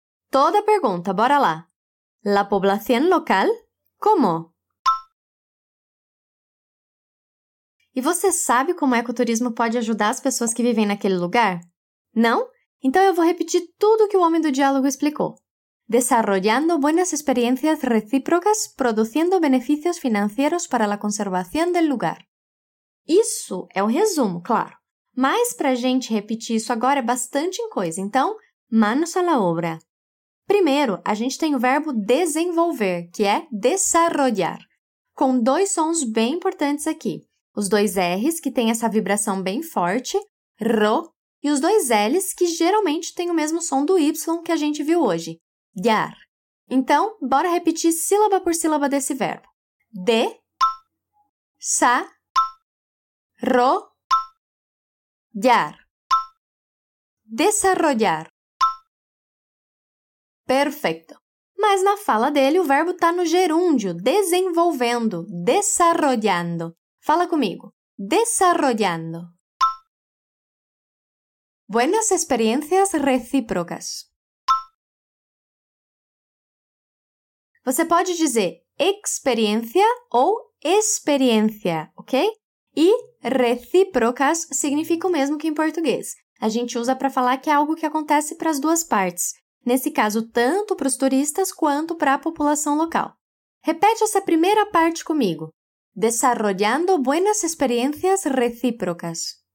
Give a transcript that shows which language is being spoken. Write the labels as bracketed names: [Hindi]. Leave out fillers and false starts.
[Portuguese] Toda a pergunta, bora lá. [Spanish] La población local? Como? [Portuguese] E você sabe como o ecoturismo pode ajudar as pessoas que vivem naquele lugar? Não? Então eu vou repetir tudo o que o homem do diálogo explicou. [Spanish] Desarrollando buenas experiencias recíprocas, produciendo beneficios financieros para la conservación del lugar. [Portuguese] Isso é o resumo, claro. Mas para a gente repetir isso agora é bastante coisa, então, [Spanish] manos a la obra. [Portuguese] Primeiro, a gente tem o verbo desenvolver, que é desarrollar, com dois sons bem importantes aqui. Os dois R's, que têm essa vibração bem forte, ro, e os dois L's, que geralmente têm o mesmo som do Y que a gente viu hoje. Yar. Então, bora repetir sílaba por sílaba desse verbo. [Spanish] De, sa, ro, yar. Desarrollar. [Portuguese] Perfeito. Mas na fala dele, o verbo está no gerúndio, desenvolvendo, desarrollando. Fala comigo. [Spanish] Desarrollando. Buenas experiencias recíprocas. [Portuguese] Você pode dizer experiência ou experiência, ok? E recíprocas significa o mesmo que em português. A gente usa para falar que é algo que acontece para as duas partes. Nesse caso, tanto para os turistas quanto para a população local. Repete essa primeira parte comigo. [Spanish] Desarrollando buenas experiencias recíprocas.